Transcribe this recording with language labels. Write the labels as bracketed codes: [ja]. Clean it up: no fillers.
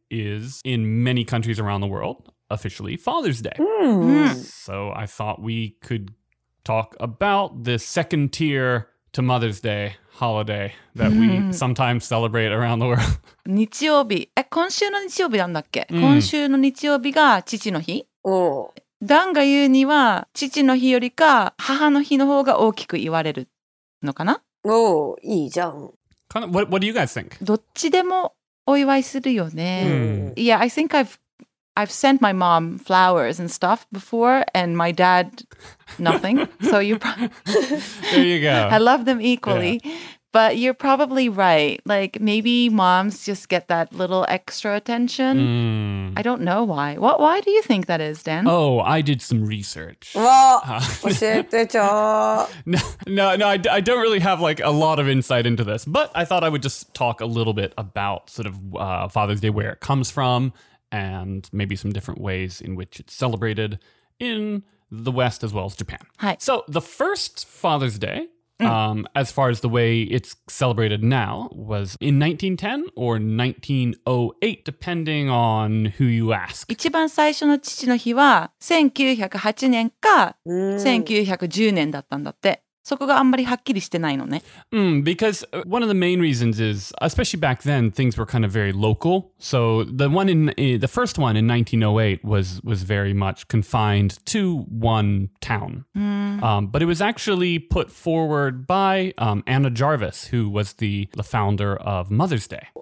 [en] is in many countries around the world, officially Father's Day. So I thought we could talk about the second tier to Mother's Day holiday that we sometimes celebrate around the world. [ja] 日曜日。え、今週の日曜日なんだっけ？今週の日曜日が父の日？お。ダンが言うには父の日よりか母の日の方が大きく言われるのかな？お、いいじゃん。 [en] Kind of, what do you guys think? [ja] どっちでもお祝いするよね。 [en] Yeah, I think I've sent my mom flowers and stuff before, and my dad nothing. So you probably there you go. I love them equally,、but you're probably right. Like maybe moms just get that little extra attention.、I don't know why. What? Why do you think that is, Dan? Oh, I did some research. No, I don't really have like a lot of insight into this, but I thought I would just talk a little bit about sort of Father's Day, where it comes from, and maybe some different ways in which it's celebrated in the West as well as Japan. Hi. So the first Father's Day,、as far as the way it's celebrated now, was in 1910 or 1908, depending on who you ask. [ja] 一番最初の父の日は1908年か1910年だったんだって。そこがあんまりはっきりしてないのね。 [en] Because one of the main reasons is, especially back then, things were kind of very local. So the first one in 1908 was very much confined to one town. But it was actually put forward by Anna Jarvis, who was the founder of Mother's Day.